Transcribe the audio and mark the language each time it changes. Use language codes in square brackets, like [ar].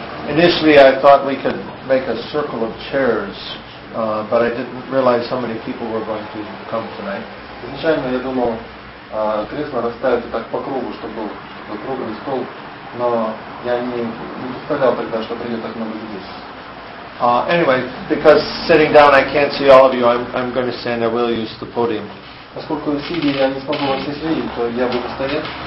[en] Initially, I thought we could make a circle of chairs, but I didn't realize how many people were going to come tonight. [ru] Изначально я думал кресла расставить так по кругу, чтобы был круглый стол, но я не представлял тогда, что придет так много людей. [en] Anyway, because sitting down I can't see all of you, I'm going to stand. I will use the podium. [ru] Поскольку сидя я не смогу вас все видеть, то я буду стоять.